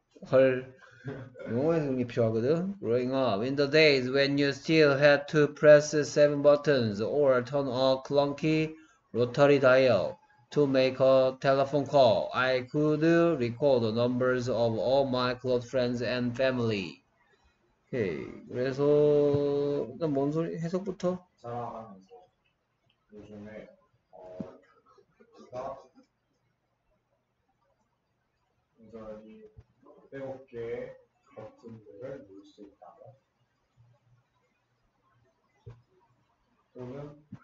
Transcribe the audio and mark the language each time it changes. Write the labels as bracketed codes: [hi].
[ko] 헐, 영어에서 그게 필요하거든? [en] Growing up. In the days when you still had to press seven buttons or turn a clunky rotary dial. To make a telephone call, I could record the numbers of all my close friends and family. Okay. [ko] 그래서 일단 뭔 소리 해석부터? 자랑하면서 요즘에 굉장히 빼곡히 버튼들을 누를 수 있다면 또는